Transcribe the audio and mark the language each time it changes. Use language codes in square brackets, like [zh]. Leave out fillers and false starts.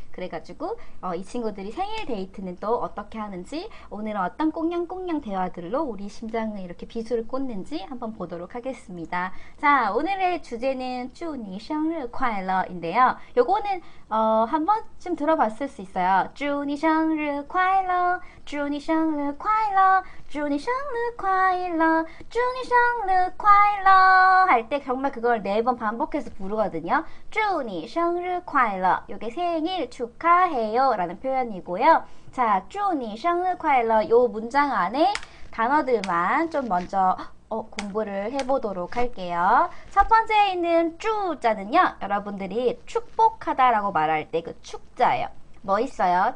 [ko] 그래가지고, 이 친구들이 생일 데이트는 또 어떻게 하는지, 오늘은 어떤 꽁냥꽁냥 대화들로 우리 심장을 이렇게 비수를 꽂는지 한번 보도록 하겠습니다. 자, 오늘의 주제는 [zh] 祝你生日快乐 [ko] 인데요. 요거는, 한 번쯤 들어봤을 수 있어요. [zh] 祝你生日快乐, 祝你生日快乐, 祝你生日快乐, 祝你生日快乐 [ko] 할때 정말 그걸 네번 반복해서 부르거든요. [zh] 祝你生日快乐, [ko] 요게 생일 축하해요 라는 표현이고요. 자, [zh] 祝你生日快乐 [ko] 요 문장 안에 단어들만 좀 먼저 공부를 해보도록 할게요. 첫 번째에 있는 쭈 자는요, 여러분들이 축복하다라고 말할 때그 축자예요. 뭐 있어요?